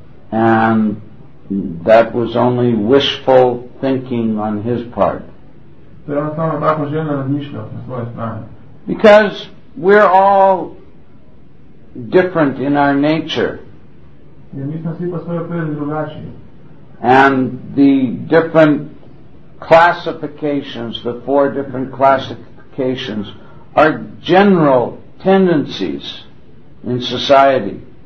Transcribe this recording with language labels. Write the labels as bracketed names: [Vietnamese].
[English] And that was only wishful thinking on his part. [Croatian] To je samo tako željno razmišljao na svoje strane. [English] Because we're all different in our nature. [Croatian] Jer mi smo svi po svojoj prirodi drugačiji. [English] And the different classifications, the four different classifications, are general tendencies in society.